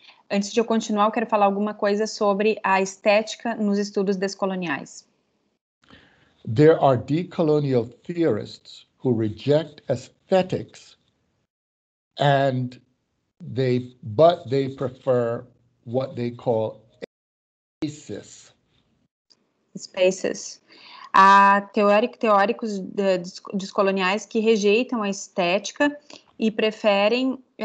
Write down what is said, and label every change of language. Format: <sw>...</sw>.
<pt>Antes de eu continuar, eu quero falar alguma coisa sobre a estética nos estudos descoloniais.</pt> <en>There are decolonial theorists who reject aesthetics and they prefer what they call spaces. Spaces.</en> <pt>Há teóricos descoloniais que rejeitam a estética e preferem,</pt>